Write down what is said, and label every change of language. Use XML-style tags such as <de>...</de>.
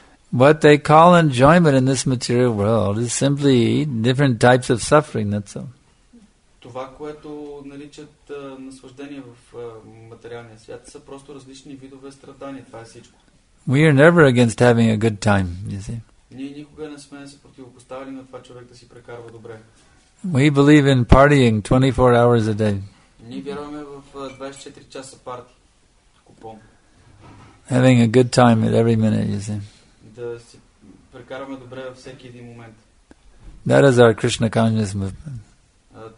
<en>What they call enjoyment in this material world is simply different types of suffering, that's all.</en> <bg>Това, което наричат наслаждение в материалния свят, са просто различни видове страдания. Това е всичко.</bg> <en>We are never against having a good time, you see.</en> <bg>Ние никога не сме се противопоставили на това човек да си прекарва добре.</bg> <en>We believe in partying 24 hours a day.</en> <bg>Ние вярваме в 24 часа парти.</bg> <en>Having a good time at every minute, you see.</en> <bg>Да си прекарваме добре във всеки един момент.</bg> <en>That is our Krishna consciousness movement.</en>